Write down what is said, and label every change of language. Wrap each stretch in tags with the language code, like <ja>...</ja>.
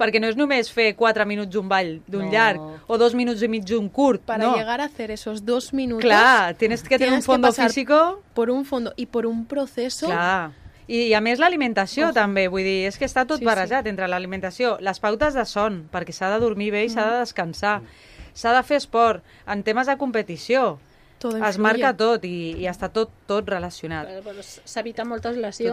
<ca>Perquè no és només fer 4 minuts d'un ball d'un no. llarg o 2 minuts i mig d'un curt.</ca> <es>Para no. llegar a hacer esos 2 minuts... Clar, tienes que tener tienes un fondo físico... Por un fondo y por un proceso...</es> <ca>Clar. I a més l'alimentació també, vull dir, és que està tot sí, barrejat sí. entre l'alimentació, les pautes de son, perquè s'ha de dormir bé i s'ha de descansar, s'ha de fer esport, en temes de competició... Es marca tot i està tot relacionat. Bueno, s'evita moltes lesions</ca>